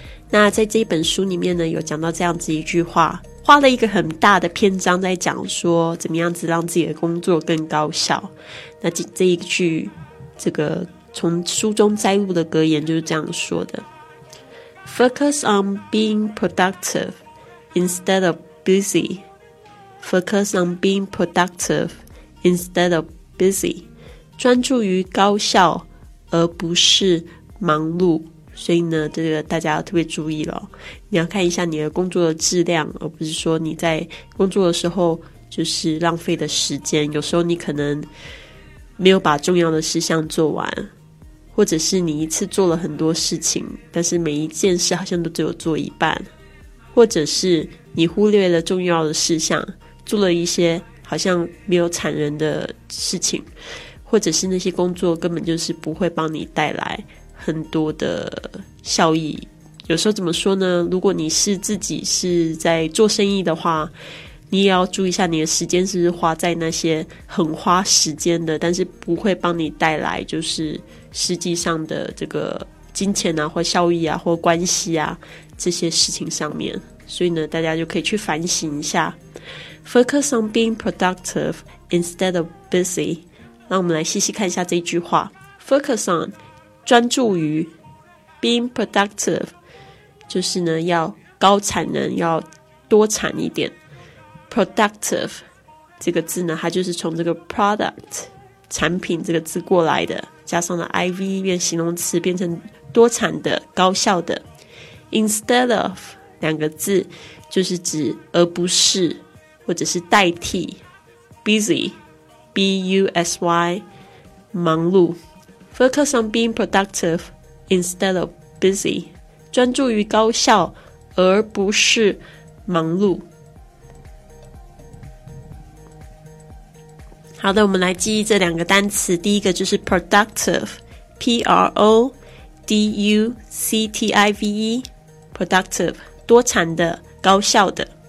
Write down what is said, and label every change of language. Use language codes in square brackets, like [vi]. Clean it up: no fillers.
[zh] 那在这一本书里面呢，有讲到这样子一句话。花了一个很大的篇章在讲说怎么样子让自己的工作更高效，那 这一句这个从书中摘录的格言就是这样说的， [en] Focus on being productive instead of busy. Focus on being productive instead of busy. [zh] 专注于高效而不是忙碌。所以呢，这个大家要特别注意了，你要看一下你的工作的质量，而不是说你在工作的时候就是浪费的时间。有时候你可能没有把重要的事项做完，或者是你一次做了很多事情，但是每一件事好像都只有做一半，或者是你忽略了重要的事项，做了一些好像没有产能的事情，或者是那些工作根本就是不会帮你带来很多的效益。有时候怎么说呢，如果你是自己是在做生意的话，你也要注意一下你的时间是不是花在那些很花时间的但是不会帮你带来就是实际上的这个金钱啊或效益啊或关系啊这些事情上面。所以呢，大家就可以去反省一下， [en] Focus on being productive instead of busy。 [zh] 让我们来细细看一下这一句话， [en] Focus on [zh] 专注于 [en] being productive， [zh] 就是呢要高产能，要多产一点。 productive 这个字呢，它就是从这个 product 产品这个字过来的，加上了 iv 变形容词，变成多产的、高效的。 instead of 两个字就是指而不是或者是代替。 busy busy 忙碌。 [en] Focus on being productive instead of busy. [zh] 专注于高效而不是忙碌。好的，我们来记忆这两个单词。第一个就是 productive, P-R-O-D-U-C-T-I-V-E, productive, 多产的、高效的。